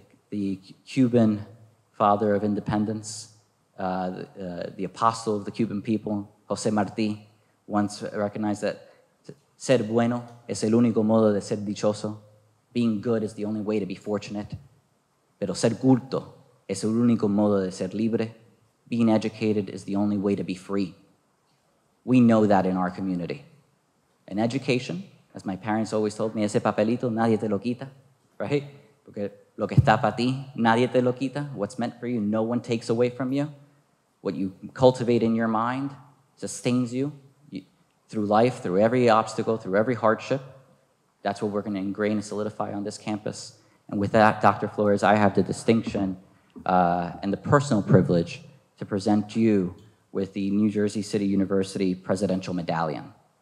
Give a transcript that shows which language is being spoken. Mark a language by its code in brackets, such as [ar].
[en] The Cuban father of independence, the apostle of the Cuban people, José Martí, once recognized that [es] ser bueno es el único modo de ser dichoso. [en] Being good is the only way to be fortunate. [es] Pero ser culto es el único modo de ser libre. [en] Being educated is the only way to be free. We know that in our community. And education, as my parents always told me, [es] ese papelito nadie te lo quita, [en] right? [es] Porque lo que está para ti, nadie te lo quita. [en] What's meant for you, no one takes away from you. What you cultivate in your mind sustains you through life, through every obstacle, through every hardship. That's what we're going to ingrain and solidify on this campus. And with that, Dr. Flores, I have the distinction and the personal privilege to present you with the New Jersey City University Presidential Medallion.